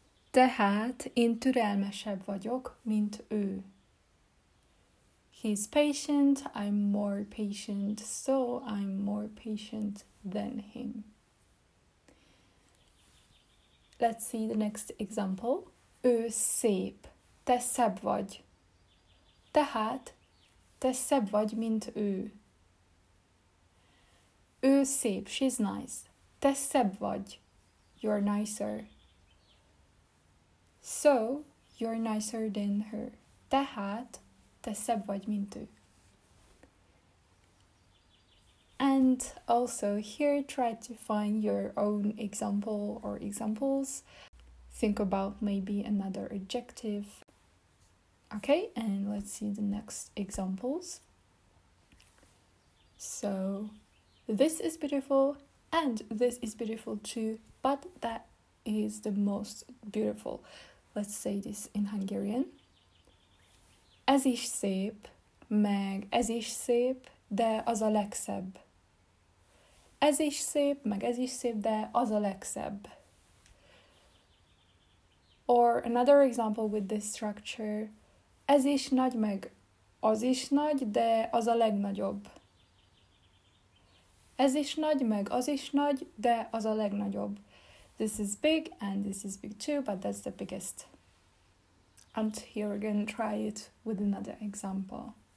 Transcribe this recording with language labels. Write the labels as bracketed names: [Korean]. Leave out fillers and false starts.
[Hungarian] Tehát én türelmesebb vagyok, mint ő. [English] He's patient, I'm more patient, so I'm more patient than him. Let's see the next example. [Hungarian] Ő szép, te szebb vagy. Tehát, te szebb vagy, mint ő. Ő szép, [English] she's nice. [Hungarian] Te szebb vagy. [English] You're nicer. So, you're nicer than her. [Hungarian] Tehát, te szebb vagy, mint ő. [English] And also here, try to find your own example or examples. Think about maybe another adjective. Okay, and let's see the next examples. So, this is beautiful, and this is beautiful too, but that is the most beautiful. Let's say this in Hungarian. [Hungarian] Ez is szép, meg ez is szép, de az a legszebb. Ez is szép, meg ez is szép, de az a legszebb. [English] Or another example with this structure. [Hungarian] Ez is nagy, meg az is nagy, de az a legnagyobb. Ez is nagy, meg az is nagy, de az a legnagyobb. [English] This is big and this is big too, but that's the biggest. And here again, try it with another example.